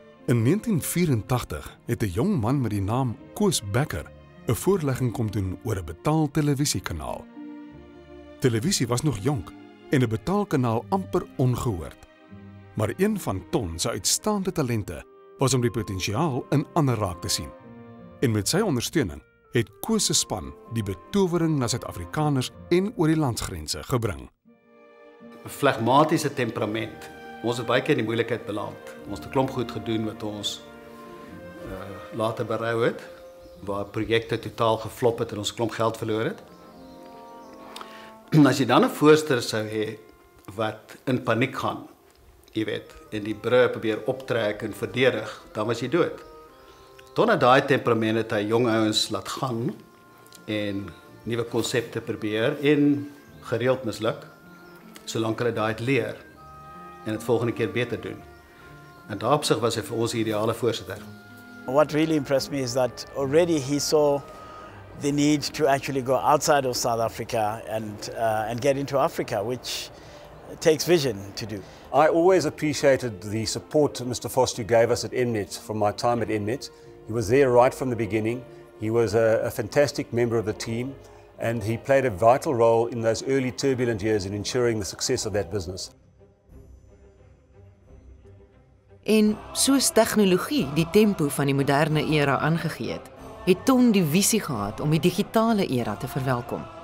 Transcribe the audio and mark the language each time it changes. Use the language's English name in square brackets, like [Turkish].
[Afrikaans] In 1984 het 'n jong man met die naam Koos Becker 'n voorlegging kom doen oor 'n betaal televisiekanaal. Televisie was nog jonk en 'n betaalkanaal amper ongehoord. Maar een van Ton se uitstaande talente was om die potensiaal in ander raak te sien. En met sy ondersteuning het Koos se span die betowering na Suid-Afrikaners en oor die landsgrense gebring. 'n Flegmatiese temperament. Ons het baie keer in die moeilikheid beland. Ons het 'n klomp goed gedoen wat ons later berou het, waar projekte totaal geflop het en ons klomp geld verloor het. En as jy dan 'n voorster sou hê wat in paniek gaan, jy weet, en die brug probeer optrek en verdedig, dan was jy dood. Ton het daai temperament het hy jong ouens laat gaan en nuwe konsepte probeer en gereeld misluk, solank hulle daai het leer en het volgende keer beter doen. En daarop sig was hy vir ons die ideale voorsitter. [English] What really impressed me is that already he saw the need to actually go outside of South Africa and get into Africa, which takes vision to do. I always appreciated the support Mr. Vosloo gave us at Nmet from my time at Nmet. He was there right from the beginning. He was a fantastic member of the team and he played a vital role in those early turbulent years in ensuring the success of that business. [Afrikaans] En soos tegnologie die tempo van die moderne era aangegee het, het Ton die visie gehad om die digitale era te verwelkom.